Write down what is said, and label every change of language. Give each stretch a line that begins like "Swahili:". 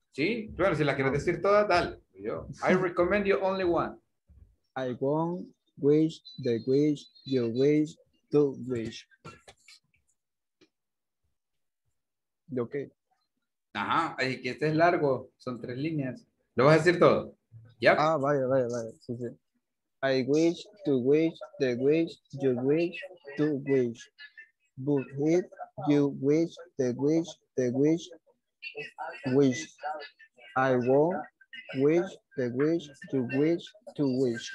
Spanish: Sí, bueno, si la quieres decir toda, dale. Yo,
English: I recommend you only one. I won't wish the wish you wish to wish. Okay.
Spanish: Ajá, así que este es largo, son tres líneas. ¿Lo vas a decir todo? ¿Ya? Ah, vaya, sí.
English: I wish to wish the wish you wish to wish. But if you wish the wish, I won't wish the wish to wish to wish.